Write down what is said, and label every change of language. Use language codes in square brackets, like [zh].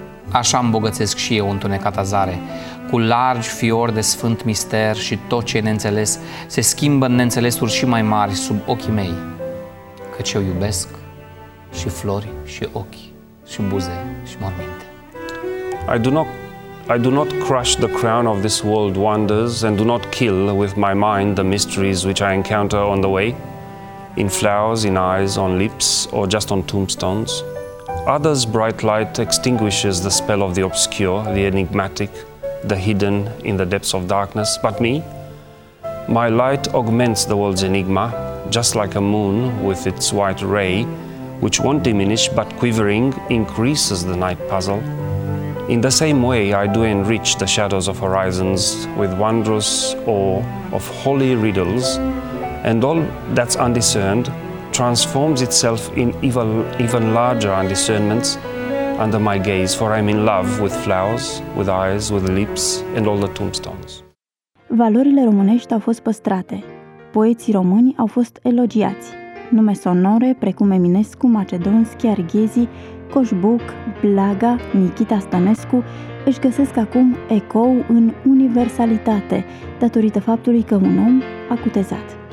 [ro] Așa îmbogățesc și eu întunecata zare, cu largi fiori de sfânt mister și tot ce e neînțeles se schimbă în neînțelesuri și mai mari sub ochii mei, căci eu iubesc și flori și ochi și buze și morminte. [en] I do not crush the crown of this world wonders and do not kill with my mind the mysteries which I encounter on the way. In flowers, in eyes, on lips, or just on tombstones. Others' bright light extinguishes the spell of the obscure, the enigmatic, the hidden in the depths of darkness. But me? My light augments the world's enigma, just like a moon with its white ray, which won't diminish, but quivering, increases the night puzzle. In the same way, I do enrich the shadows of horizons with wondrous awe of holy riddles, and all that's undiscerned transforms itself in even larger undiscernments under my gaze, for I'm in love with flowers, with eyes, with lips, and all the tombstones. [ro] Valorile românești au fost păstrate. Poeții români au fost elogiați. Nume sonore precum Eminescu, Macedonski, Arghezi, Coșbuc, Blaga, Nichita Stănescu își găsesc acum ecou în universalitate, datorită faptului că un om a cutezat.